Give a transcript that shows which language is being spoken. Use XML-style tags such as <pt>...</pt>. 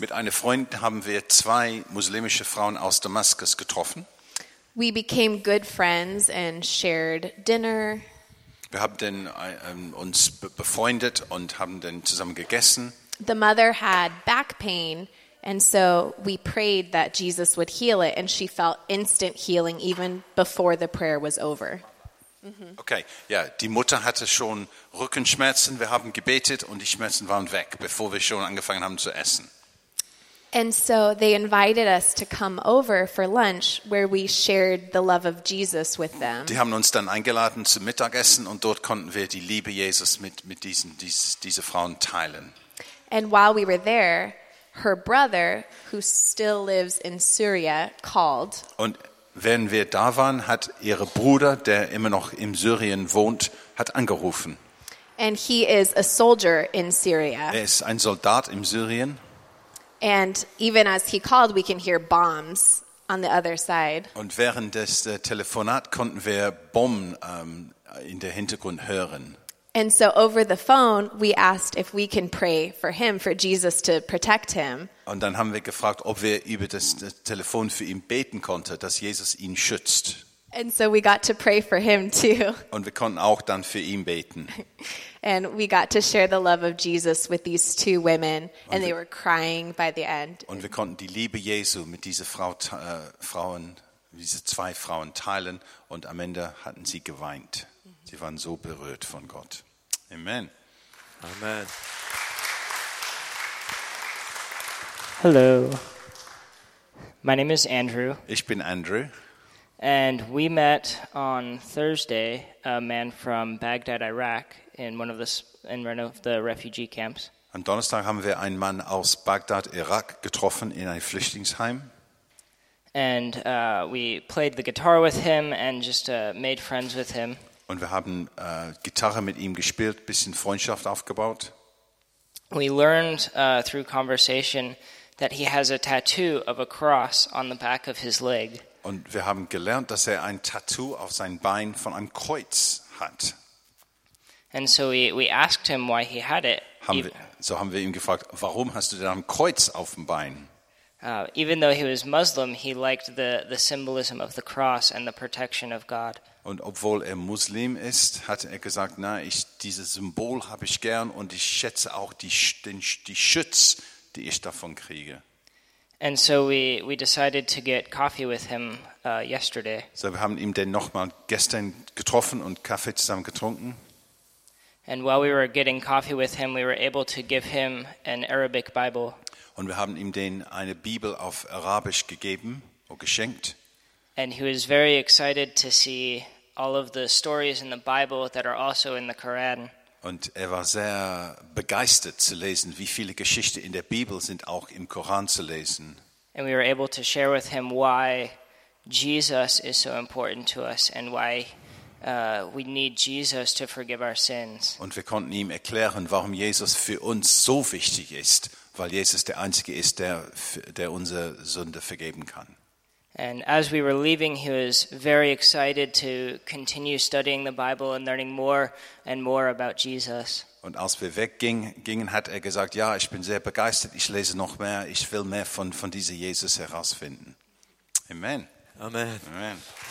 <de>Mit einer Freundin haben wir 2 muslimische Frauen aus Damaskus getroffen.</de> <en>We became good friends and shared dinner.</en> <de>Wir haben dann uns befreundet und haben dann zusammen gegessen.</de> <en>The mother had back pain, and so we prayed that Jesus would heal it, and she felt instant healing even before the prayer was over. Mm-hmm.</en> <de>Okay, ja, die Mutter hatte schon Rückenschmerzen. Wir haben gebetet und die Schmerzen waren weg, bevor wir schon angefangen haben zu essen.</de> <en>And so they invited us to come over for lunch, where we shared the love of Jesus with them.</en> <de>Die haben uns dann eingeladen zum Mittagessen und dort konnten wir die Liebe Jesus mit diesen Frauen teilen.</de> <en>And while we were there, her brother, who still lives in Syria, called.</en> <de>Und während wir da waren, hat ihre Bruder, der immer noch in Syrien wohnt, hat angerufen.</de> <en>And he is a soldier in Syria.</en> <de>Er ist ein Soldat in Syrien.</de> <en>And even as he called, we can hear bombs on the other side.</en> <de>Und während des Telefonat konnten wir Bomben in der Hintergrund hören.</de> <en>And so over the phone, we asked if we can pray for him, for Jesus to protect him.</en> <de>Und dann haben wir gefragt, ob wir über das Telefon für ihn beten konnten, dass Jesus ihn schützt.</de> <en>And so we got to pray for him too.</en> <de>Und wir konnten auch dann für ihn beten.</de> <en>And we got to share the love of Jesus with these two women, and they were crying by the end.</en> <de>Und wir konnten die Liebe Jesu mit diese zwei Frauen teilen, und am Ende hatten sie geweint. Sie waren so berührt von Gott. Amen. Amen.</de> <en>Hello. My name is Andrew.</en> <de>Ich bin Andrew.</de> <en>And we met on Thursday a man from Baghdad, Iraq, in one of the refugee camps.</en> <de>Am Donnerstag haben wir einen Mann aus Bagdad, Irak getroffen in ein Flüchtlingsheim.</de> <en>And we played the guitar with him and just made friends with him.</en> <de>Und wir haben Gitarre mit ihm gespielt, bisschen Freundschaft aufgebaut.</de> <en>We learned through conversation that he has a tattoo of a cross on the back of his leg.</en> <de>Und wir haben gelernt, dass er ein Tattoo auf sein Bein von einem Kreuz hat.</de> <en>And so we asked him why he had it.</en> <de>So haben wir ihn gefragt, warum hast du denn ein Kreuz auf dem Bein?</de> <en>Even though he was Muslim, he liked the symbolism of the cross and the protection of God.</en> <de>Und obwohl er Muslim ist, hat er gesagt, dieses Symbol habe ich gern und ich schätze auch die Schutz, die ich davon kriege.</de> <en>And so we decided to get coffee with him yesterday.</en> <de>So wir haben ihn denn nochmal gestern getroffen und Kaffee zusammen getrunken.</de> <en>And while we were getting coffee with him, we were able to give him an Arabic Bible.</en> <de>Und wir haben ihm denn eine Bibel auf Arabisch gegeben oder geschenkt.</de> <en>And he was very excited to see all of the stories in the Bible that are also in the Quran.</en> <de>Und er war sehr begeistert zu lesen, wie viele Geschichten in der Bibel sind auch im Koran zu lesen.</de> <en>And we were able to share with him why Jesus is so important to us and why we need Jesus to forgive our sins.</en> <de>Und wir konnten ihm erklären, warum Jesus für uns so wichtig ist, weil Jesus der Einzige ist, der unsere Sünde vergeben kann.</de> <en>And as we were leaving, he was very excited to continue studying the Bible and learning more and more about Jesus.</en> <de>Und als wir weggingen, hat er gesagt, ja, ich bin sehr begeistert, ich lese noch mehr, ich will mehr von diesem Jesus herausfinden. Amen. Amen. Amen.</de>